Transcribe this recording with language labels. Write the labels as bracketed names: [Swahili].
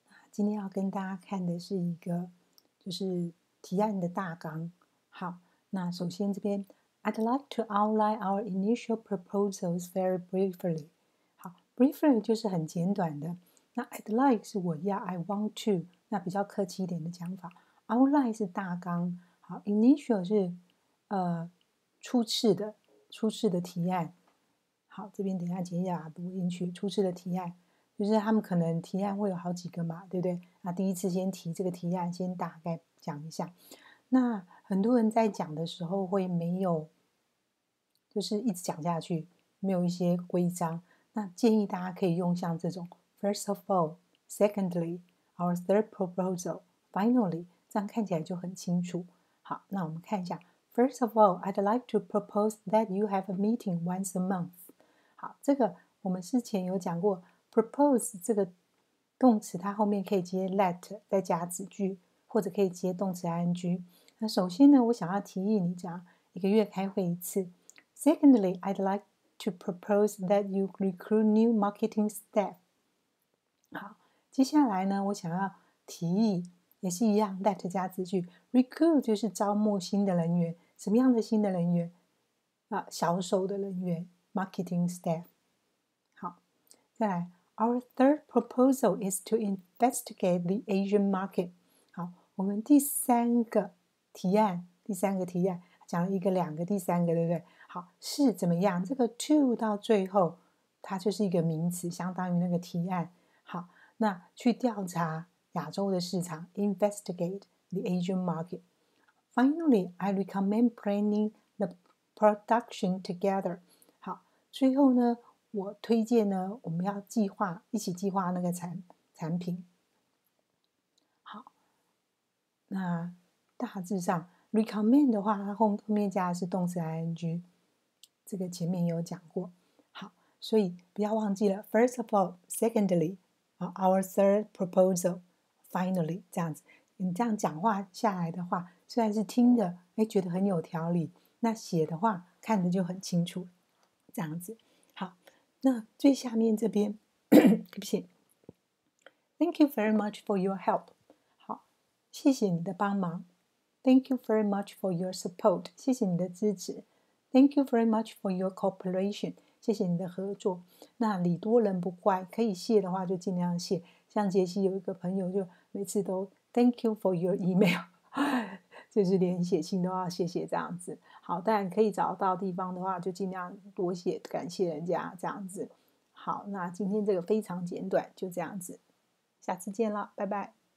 [Chinese] 今天要跟大家看的是一个，就是提案的大纲。好，那首先这边 [English] ，I'd like to outline our initial proposals very briefly。 [Chinese] 好 ，briefly 就是很简短的。那 [English] I'd like [Chinese] 是我要 ， [English] I want to， [Chinese] 那比较客气一点的讲法。 Outline 是大纲，好 ，initial 是初次的，初次的提案。好，这边等一下杰雅读进去，初次的提案。就是他们可能提案会有好几个嘛，对不对？那第一次先提这个提案，先大概讲一下。那很多人在讲的时候会没有，就是一直讲下去，没有一些规章。那建议大家可以用像这种 [English] first of all, secondly, our third proposal, finally, [Chinese] 这样看起来就很清楚。好，那我们看一下 [English] first of all, I'd like to propose that you have a meeting once a month. [Chinese] 好，这个我们之前有讲过Propose 这个动词，它后面可以接 let 再加子句，或者可以接动词 ing。那首先呢，我想要提议你这样一个月开会一次。 [English] Secondly, I'd like to propose that you recruit new marketing staff。 [Chinese] 好，接下来呢，我想要提议也是一样 let 加子句。 Recruit 就是招募新的人员，什么样的新的人员？啊，销售的人员 ， [English] marketing staff。 [Chinese] 再来 [English] ，Our third proposal is to investigate the Asian market。 [Chinese] 好，我们第三个提案，讲了一个、两个、第三个，对不对？好，是怎么样？这个 to 到最后，它就是一个名词，相当于那个提案。好，那去调查亚洲的市场 ， [English] investigate the Asian market。 Finally, I recommend planning the production together。 [Chinese] 好，最后呢？我推荐呢，我们要计划一起计划那个产品。好，那大致上 recommend 的话，它后面加的是动词 ing， 这个前面有讲过。好，所以不要忘记了 [English] ，first of all， secondly， our third proposal， finally， [Chinese] 这样子。你这样讲话下来的话，虽然是听的，哎，觉得很有条理，那写的话看的就很清楚，这样子。那最下面这边，对不起 [English] ，Thank you very much for your help。 [Chinese] 好，谢谢你的帮忙。 [English] Thank you very much for your support。 [Chinese] 谢谢你的支持。 [English] Thank you very much for your cooperation。 [Chinese] 谢谢你的合作。那礼多人不怪，可以谢的话就尽量谢。像杰西有一个朋友，就每次都 [English] Thank you for your email， [Chinese] 就是连写信都要谢谢这样子。好，但可以找到地方的话就尽量多写感谢人家这样子。好，那今天这个非常简短，就这样子，下次见了，拜拜。